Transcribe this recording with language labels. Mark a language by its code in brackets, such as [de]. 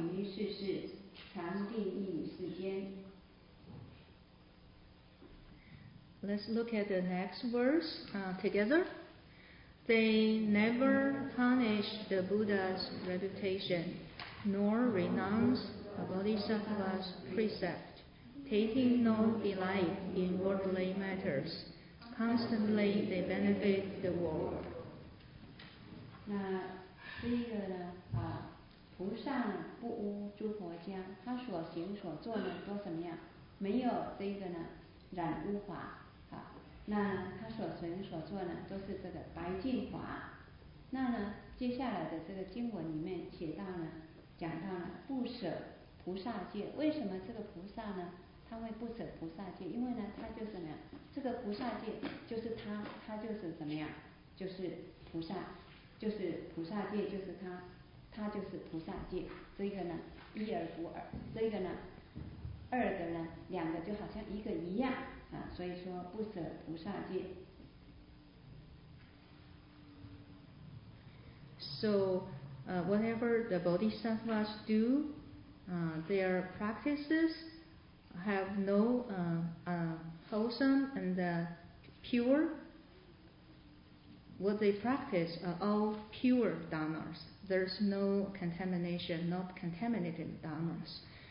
[zh] 我们接下来看下一句，不污诸佛家，不舍菩萨戒，不要于世事，常定义世间。 [en] Let's look at the next verse together. They never tarnish the Buddha's reputation, nor renounce a bodhisattva's precept, taking no delight in worldly matters. Constantly they benefit the world. [zh] 那这个呢，菩萨不污诸佛家，他所行所做呢，都怎么样？没有这个呢，染污法。那他所行所作呢，都是这个白净法。那呢，接下来的这个经文里面写到呢，讲到了不舍菩萨戒。为什么这个菩萨呢，他会不舍菩萨戒？因为呢，他就是怎么样，这个菩萨戒就是他，他就是怎么样，就是菩萨，就是菩萨戒，就是他，他就是菩萨戒。这个呢，一而不二，这个呢，二的呢，两个就好像一个一样啊，所以说不舍菩萨戒。 [en] So, whatever the bodhisattvas do, their practices have no wholesome and pure. What they practice are all pure dharmas. There's no contamination, not contaminated dharmas.